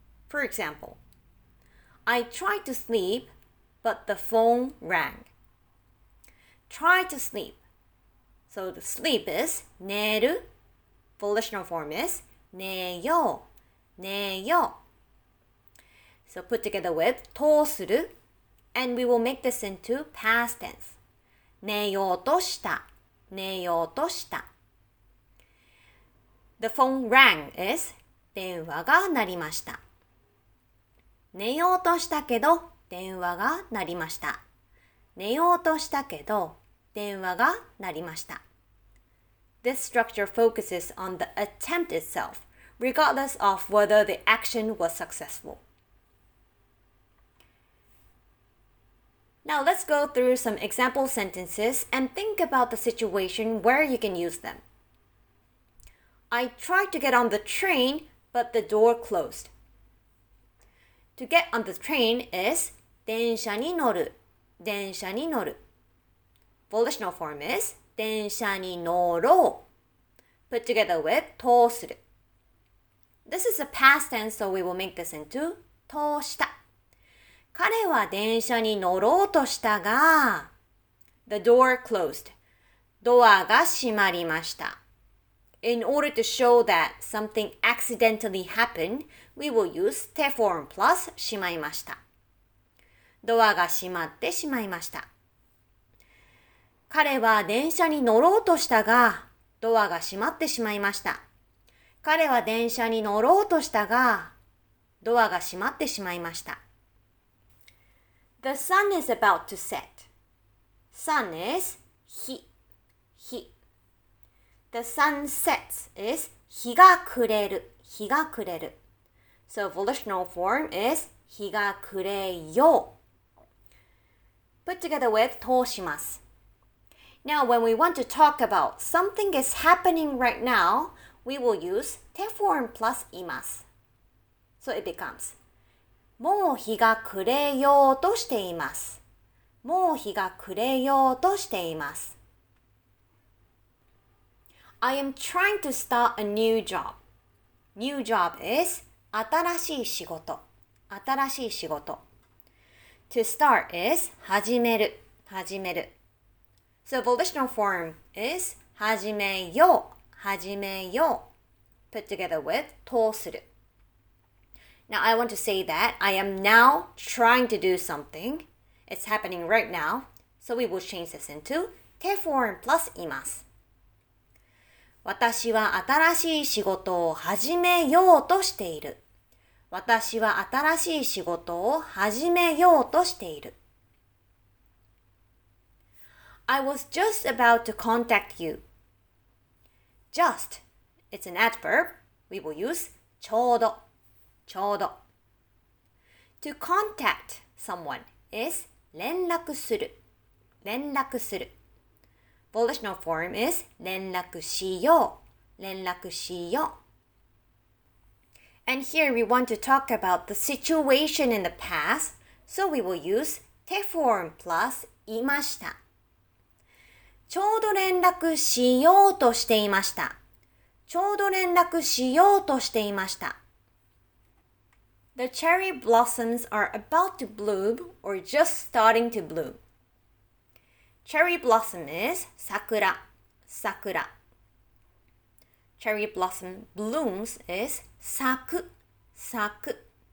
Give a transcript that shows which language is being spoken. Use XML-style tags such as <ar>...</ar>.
<en>For example, I tried to sleep, but the phone rang. Try to sleep. So the sleep is 寝る. Volitional form is 寝よう, 寝よう. So put together with 通する, and we will make this into past tense.</en> <ja>寝ようとした, 寝ようとした.</ja> <en>The phone rang is 電話が鳴りました.</en> <ja>寝ようとしたけど電話が鳴りました. 寝ようとしたけど電話が鳴りました.</ja> <en>This structure focuses on the attempt itself, regardless of whether the action was successful. Now let's go through some example sentences and think about the situation where you can use them. I tried to get on the train, but the door closed. To get on the train is 電車に乗る, 電車に乗る. Volitional form is 電車に乗ろう。 Put together with 通する. This is a past tense, so we will make this into 通した.</en> <ja>彼は電車に乗ろうとしたが,</ja> <en>The door closed.</en> <ja>ドアが閉まりました.</ja> <en>In order to show that something accidentally happened, we will use te form plus 閉まりました.</en> <ja>ドアが閉まってしまいました.彼は電車に乗ろうとしたが、ドアが閉まってしまいました。彼は電車に乗ろうとしたが、ドアが閉まってしまいました。</ja> <en>The sun is about to set. Sun is 日、日。 The sun sets is 日が暮れる、日が暮れる。 So volitional form is 日が暮れよう。 Put together with 通します。 Now, when we want to talk about something is happening right now, we will use te form plus います. So it becomes,</en> <ja>もう日が暮れようとしています。もう日が暮れようとしています。</ja> <en>I am trying to start a new job. New job is 新しい仕事。</en> <ja>新しい仕事。</ja> <en>To start is 始める。</en> <ja>始める。</ja> <en>So volitional form is 始めよう、始めよう。Put together with 通する。 Now, I want to say that I am now trying to do something. It's happening right now. So we will change this into te form plus imasu.</en> <ja>私は新しい仕事を始めようとしている。私は新しい仕事を始めようとしている。</ja> <en>I was just about to contact you. Just, it's an adverb. We will use ちょうど。</en> <ja>ちょうど。</ja> <en>To contact someone is 連絡する。</en> <ja>連絡する。</ja> <en>Volitional form is 連絡しよう。連絡しよう。And here we want to talk about the situation in the past, so we will use te form plus いました。</en> <ja>ちょうど連絡しようとしていました。ちょうど連絡しようとしていました。</ja> <en>The cherry blossoms are about to bloom or just starting to bloom. Cherry blossom is 桜、</en> <ja>桜。</ja> <en>Cherry blossom blooms is 咲く、</en> <ja>咲く。</ja>